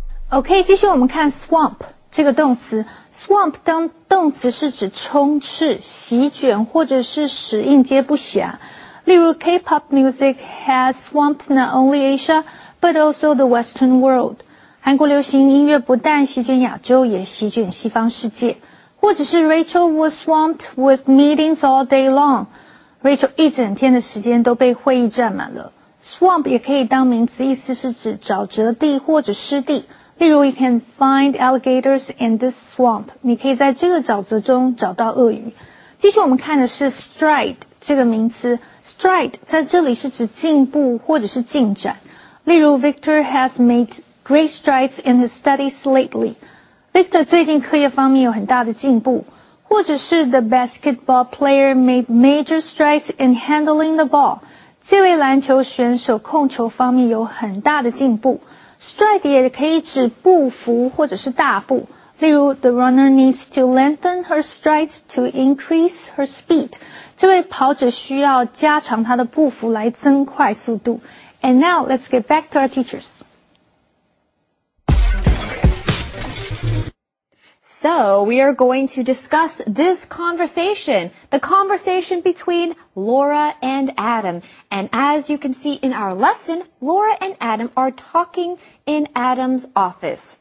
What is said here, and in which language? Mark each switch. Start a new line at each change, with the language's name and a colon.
Chinese: OK, 继续我们看 swamp 这个动词。Swamp 当动词是指充斥、席卷或者是使应接不暇。例如
English: K-pop music has swamped not only Asia, but also the Western world.
Chinese: 韩国流行音乐不但席卷亚洲，也席卷西方世界。或者是
English: Rachel was swamped with meetings all day long.
Chinese: Rachel 一整天的时间都被会议占满了。Swamp 也可以当名词，意思是指沼泽地或者湿地。例如
English: You can find alligators in this swamp.
Chinese: 你可以在这个沼泽中找到鳄鱼。继续我们看的是 stride 这个名词。Stride 在这里是指进步或者是进展。例如
English: Victor has made... Great strides in his studies lately.
Chinese: Victor 最近课业方面有很大的进步。或者是
English: The basketball player made major strides in handling the ball.
Chinese: 这位篮球选手控球方面有很大的进步。 Stride 也可以指步幅或者是大步。例如
English: The runner needs to lengthen her strides to increase her speed.
Chinese: 这位跑者需要加长他的步幅来增快速度。
English: And now let's get back to our teachers. So, we are going to discuss this conversation, the conversation between Laura and Adam. And as you can see in our lesson, Laura and Adam are talking in Adam's office.